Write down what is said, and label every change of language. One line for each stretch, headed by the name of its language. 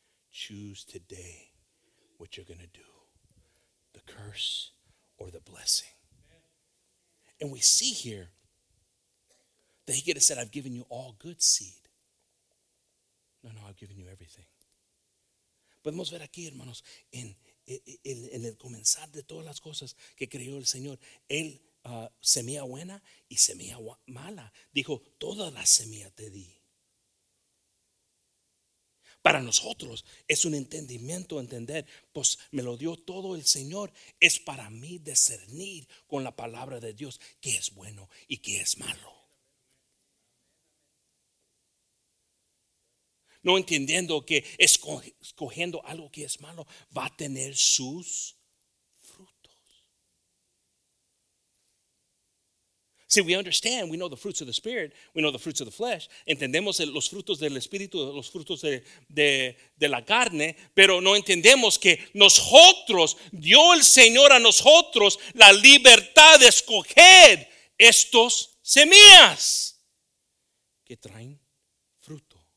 English: Choose today what you're going to do, the curse or the blessing. And we see here that he could have said, I've given you all good seed. No, I've given you everything.
Spanish: Podemos ver aquí, hermanos, en el comenzar de todas las cosas que creó el Señor, él semilla buena y semilla mala. Dijo, toda la semilla te di. Para nosotros es un entendimiento, entender, pues me lo dio todo el Señor. Es para mí discernir con la palabra de Dios qué es bueno y qué es malo. No entendiendo que escogiendo algo que es malo va a tener sus frutos.
English: See, we understand, we know the fruits of the Spirit, we know the fruits of the flesh.
Spanish: Entendemos los frutos del Espíritu, los frutos de la carne, pero no entendemos que nosotros, dio el Señor a nosotros la libertad de escoger estos semillas que traen fruto.